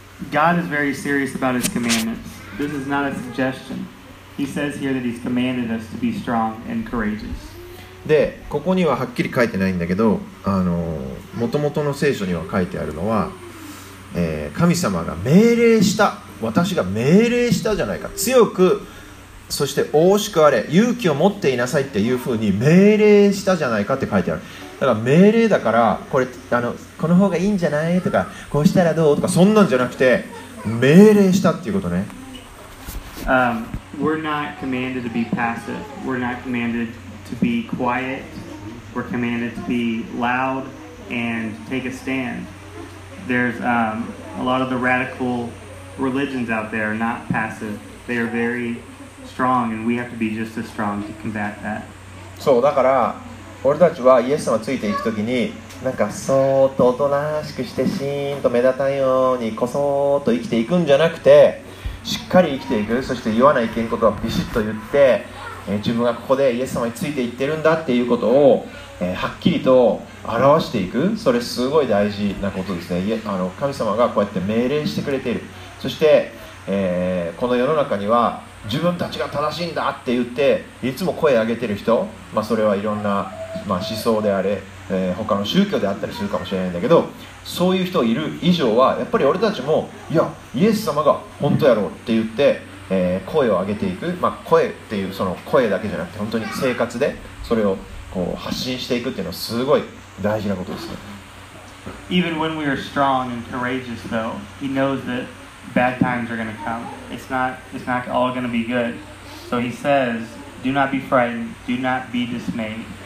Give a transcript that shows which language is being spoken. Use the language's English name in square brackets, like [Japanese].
[English] God is very serious about his commandments. This is not a suggestion. He says here that he's commanded us to be strong and courageous. [Japanese] で、ここにははっきり書いてないんだけど、もともとの聖書には書いてあるのは、神様が命令した、私が命令したじゃないか、強くそして大しくあれ、勇気を持っていなさいっていうふうに命令したじゃないかって書いてある。だから命令だから、これこの方がいいんじゃないとか、こうしたらどうとか、そんなんじゃなくて命令したっていうことね。 [English] We're not commanded to be passive. We're not commandedto be quiet, we're commanded to be loud and take a stand. There's a lot of the radical religions out there are not passive. They are very strong and we have to be just as strong to combat that. [Japanese] そう、だから俺たちはイエス様ついていくときに、なんかそーっとおとなしくしてシーンと目立たんようにこそーっと生きていくんじゃなくて、しっかり生きていく、そして言わないけんことはビシッと言って、自分がここでイエス様についていってるんだっていうことを、はっきりと表していく、それすごい大事なことですね。神様がこうやって命令してくれている。そして、この世の中には自分たちが正しいんだって言っていつも声上げてる人、まあ、それはいろんな、まあ、思想であれ、他の宗教であったりするかもしれないんだけど、そういう人いる以上はやっぱり俺たちも、いやイエス様が本当やろって言って声を上げていく、まあ、声っていうその声だけじゃなくて本当に生活でそれをこう発信していくっていうのはすごい大事なことですね。 [English] Even when we are strong and courageous though, he knows that bad times are going to come. It's not all going to be good. So he says, do not be frightened, do not be dismayed.